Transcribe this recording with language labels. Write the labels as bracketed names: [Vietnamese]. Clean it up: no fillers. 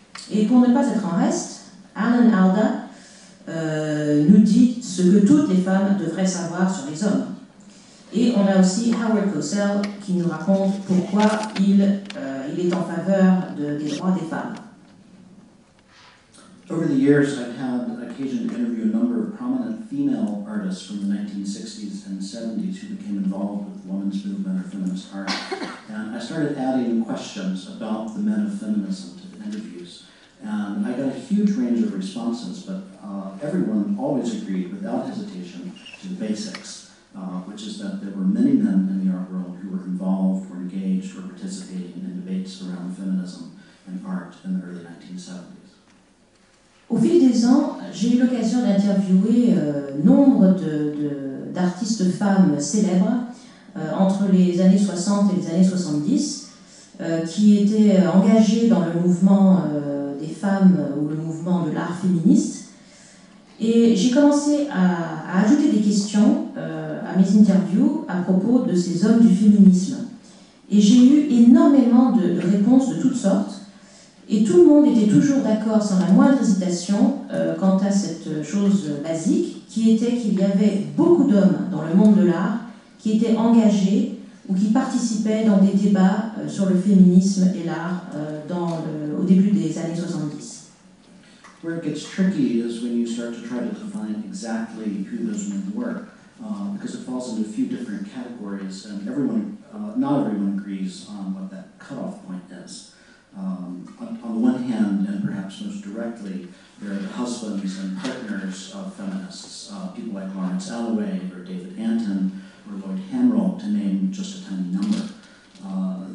[French] Et pour ne pas être en reste, Alan Alda nous dit ce que toutes les femmes devraient savoir sur les hommes. Et on a aussi Howard Cosell qui nous raconte pourquoi il est en faveur des droits des femmes. [English] Over the years, I've had occasion to interview a number of prominent female artists from the 1960s and 70s who became involved with the women's movement or feminist art. And I started adding questions about the men of feminism to the interviews. And I got a huge range of responses, but everyone always agreed without hesitation to the basics, which is that there were many men in the art world who were involved or engaged or participating in debates around feminism and art in the early 1970s. [French] Au fil des ans, j'ai eu l'occasion d'interviewer nombre d'artistes femmes célèbres entre les années 60 et les années 70 qui étaient engagées dans le mouvement des femmes ou le mouvement de l'art féministe. Et j'ai commencé à ajouter des questions à mes interviews à propos de ces hommes du féminisme. Et j'ai eu énormément de réponses de toutes sortes. Et tout le monde était toujours d'accord, sans la moindre hésitation, quant à cette chose basique, qui était qu'il y avait beaucoup d'hommes dans le monde de l'art qui étaient engagés ou qui participaient dans des débats sur le féminisme et l'art au début des années 70. [English] Where it gets tricky is when you start to try to define exactly who those men were, because it falls into a few different categories, and not everyone agrees on what that cutoff point is. On the one hand, and perhaps most directly, there are the husbands and partners of feminists, people like Lawrence Alloway or David Anton or Lloyd Hamrall, to name just a tiny number.